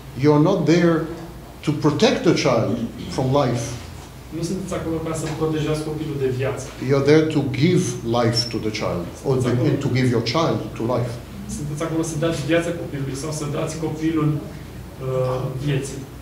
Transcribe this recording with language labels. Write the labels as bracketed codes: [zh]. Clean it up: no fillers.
[en] You are not there to protect the child from life. [ro] Nu sunteți acolo ca să protejați copilul de viață. [en] You are there to give life to the child, or to give your child to life. [ro] Sunteți acolo să dați viață copilului sau să dați copilul vieții.